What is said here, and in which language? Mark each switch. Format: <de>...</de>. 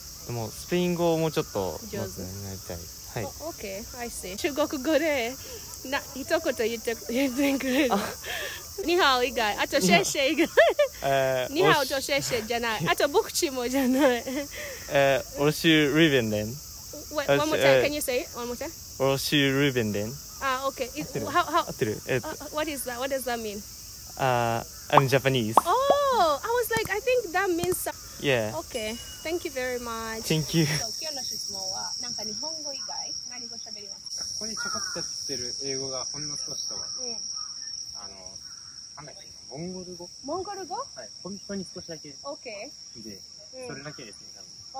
<ja>もうスペイン語をもうちょっと、上手になりたい。はい。</ja> <en>Oh, okay, I see。</en> <ja>中国語で、な、一言言って、言ってくれる。ニハオ以外、あとシェシェ以外。ニハオとシェシェじゃない。あとボクチもじゃない。オロシュルビンデン。</ja> <en>Wait, one more time, can you say it? One more time? オロシュルビンデン。</en> <ja>あ、OK。合ってる。合ってる。</ja> <en>What is that? What does that mean? I'm Japanese. Oh, I was like, I think that means something. Yeah. Okay, thank you very much. Thank you.</en> <ja>今日の質問は、なんか日本語以外何語喋りますか？ここにちょこっとやってる英語がほんの少しとは、なんだっけ、モンゴル語。モンゴル語？はい、本当に少しだけ。オッケー。で、それだけですね、多分。</ja>